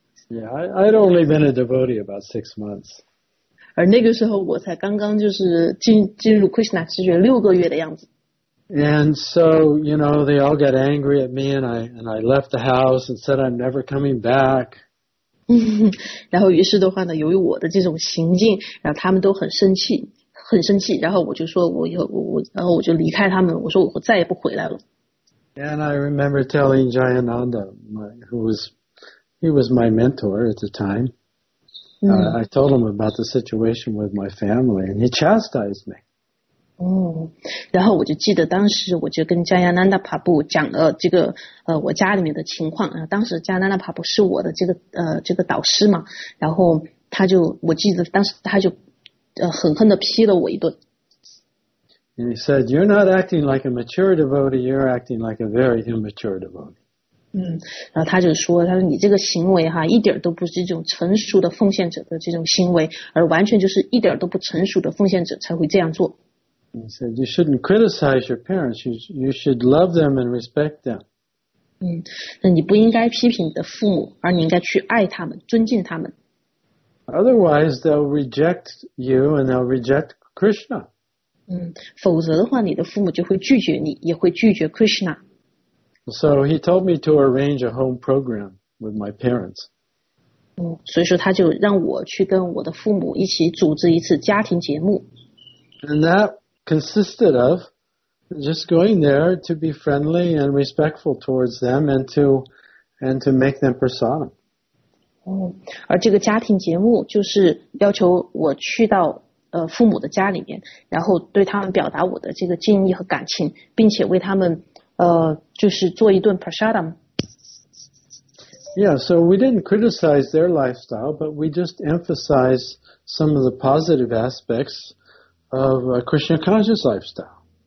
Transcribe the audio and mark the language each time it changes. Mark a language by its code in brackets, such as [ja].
[en] Yeah, I'd only been a devotee about 6 months. [zh] 而那个时候我才刚刚就是进入 Krishna 知觉六个月的样子。 [en] And so, you know, they all got angry at me and I left the house and said I'm never coming back. [zh] 然后于是的话呢，由于我的这种行径，然后他们都很生气，然后我就说然后我就离开他们，我说我再也不回来了。 [en] And I remember telling Jayananda, who was my mentor at the time. I told him about the situation with my family and he chastised me. [zh] 然后我就记得当时我就跟加亚南达帕布讲了这个我家里面的情况，当时加亚南达帕布是我的这个导师嘛，然后他就我记得当时他就狠狠地批了我一顿。 [en] And he said, you're not acting like a mature devotee, you're acting like a very immature devotee. [zh] 然后他说你这个行为哈，一点都不是这种成熟的奉献者的这种行为，而完全就是一点都不成熟的奉献者才会这样做。 [en] He said, you shouldn't criticize your parents. You should love them and respect them. [zh] 那你不应该批评你的父母，而你应该去爱他们，尊敬他们。 [en] Otherwise, they'll reject you and they'll reject Krishna. [zh] 否则的话，你的父母就会拒绝你，也会拒绝 Krishna. [en] So he told me to arrange a home program with my parents. [zh] 所以说他就让我去跟我的父母一起组织一次家庭节目。 [en] And that consisted of just going there to be friendly and respectful towards them and to make them prasadam. [zh] 而这个家庭节目就是要求我去到父母的家里面，然后对他们表达我的这个敬意和感情，并且为他们就是做一顿 prasadam. [en] Yeah, so we didn't criticize their lifestyle, but we just emphasized some of the positive aspects of a Krishna conscious lifestyle.